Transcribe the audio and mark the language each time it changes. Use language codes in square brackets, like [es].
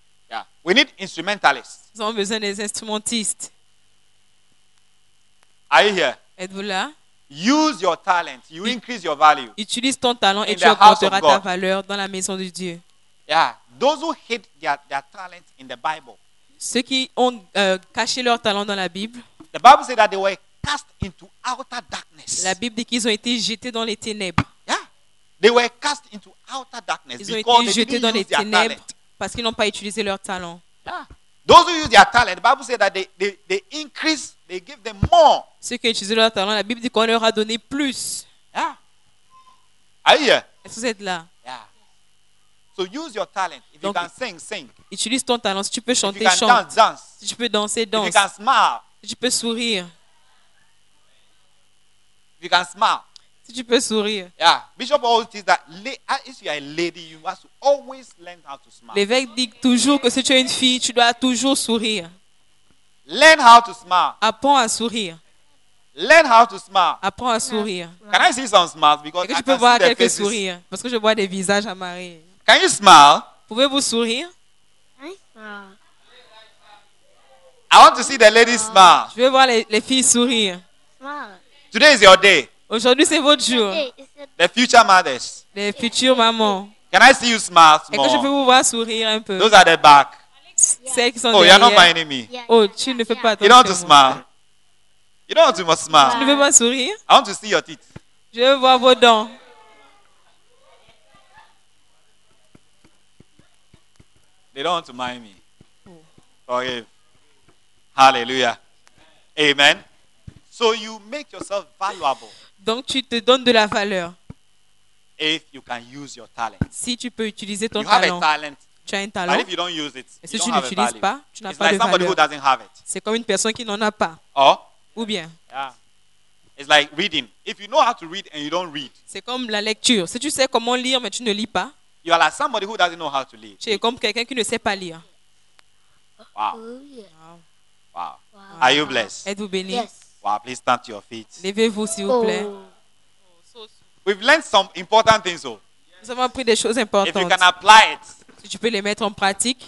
[en] Yeah. We need instrumentalists. [fr] Nous avons besoin des instrumentistes. [en] Are you here? [fr] Êtes-vous là? [en] Use your talent. You increase your value. [fr] Utilise ton talent et tu augmenteras ta valeur dans la maison de Dieu. [en] Yeah. Those who hid their talent in the Bible. [fr] Ceux qui ont caché leur talent dans la Bible. [en] The Bible said that they were cast into outer darkness. [fr] La Bible dit qu'ils ont été jetés dans les ténèbres. [en] They were cast into outer darkness. [fr] Ils ont été jetés dans les ténèbres parce qu'ils n'ont pas utilisé leur talent. [en] Yeah. Those who use their talent, the Bible says that they increase, they give them more. [fr] Ceux qui ont utilisé leur talent, la Bible dit qu'on leur a donné plus. [en] Yeah. Are you here? [fr] Est-ce que vous êtes là? [en] Yeah. So use your talent. If [fr] Donc, [en] you can sing, sing. [fr] Utilise ton talent. Si tu peux chanter, [en] if you can [fr] chante. [en] Dance, dance. [fr] Si tu peux danser, danse. [en] If you can smile. [fr] Si tu peux sourire. [en] If you can smile. [fr] Si tu peux sourire. [en] Yeah, Bishop always teaches that if you are a lady, you must always learn how to smile. [fr] L'évêque dit toujours que si tu es une fille, tu dois toujours sourire. [en] Learn how to smile. [fr] Apprends à sourire. [en] Learn how to smile. [fr] Apprends à sourire. [en] Can I see some smiles? Because [fr] que tu peux voir quelques sourires parce que je vois des visages à Marie. [en] Can you smile? [fr] Pouvez-vous sourire? [en] I want to see the ladies smile. [fr] Je veux voir les filles sourire. [en] Smile. Today is your day. [fr] Aujourd'hui, c'est votre jour. [en] The future mothers. [fr] Les futures mamans. [en] Can I see you smile? [fr] Est-ce que je peux vous voir sourire un peu? [en] Those are the back. [fr] Celles qui sont [en] derrière. Oh, you're not my enemy. [fr] Oh, tu ne fais pas [en] attention. You don't want to smile. You don't want to smile. Yeah. [fr] Tu ne veux pas sourire? [en] I want to see your teeth. [fr] Je veux voir vos dents. [en] They don't want to mind me. Forgive. Hallelujah. Amen. So you make yourself valuable. [fr] Donc tu te donnes de la valeur. [en] If you can use your talent. [fr] Si tu peux utiliser ton talent. Tu as un talent. [en] But if you don't use it, [fr] si tu l'utilises pas, tu n'as [en] it's [fr] pas [en] like [fr] de [en] somebody [fr] valeur. [en] Who doesn't have it. [fr] C'est comme une personne qui n'en a pas. Ou bien. [en] Yeah. It's like reading. If you know how to read and you don't read. [fr] C'est comme la lecture. Si tu sais comment lire mais tu ne lis pas. [en] You are like somebody who doesn't know how to read. [fr] Tu es comme quelqu'un qui ne sait pas lire. [en] Wow. Oh, yeah. Wow. Are you blessed? [fr] Êtes-vous béni? [en] Yes. Wow, please stand to your feet. [fr] Levez-vous, s'il vous plaît. [en] We've learned some important things, so. [fr] Nous avons appris des choses importantes. [en] If you can apply it, [fr] si tu peux les mettre en pratique,